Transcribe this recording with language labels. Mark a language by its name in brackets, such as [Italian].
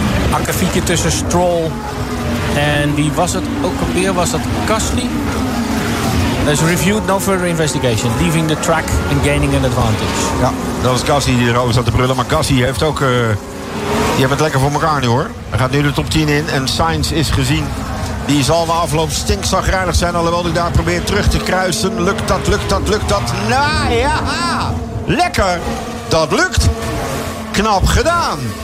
[Dutch] Akkefietje tussen Stroll. En wie was het ook alweer? Was dat Gasly? [English] Is reviewed, no further investigation. Leaving the track and gaining an advantage. [Dutch] Ja, dat is Gasly die erover zat te brullen. Maar Gasly heeft ook... die hebben het lekker voor elkaar nu, hoor. Hij gaat nu de top 10 in en Sainz is gezien. Die zal na afloop stinkzagrijnig zijn. Alhoewel hij daar probeert terug te kruisen. Lukt dat? Nou ja, lekker. Dat lukt. Knap gedaan.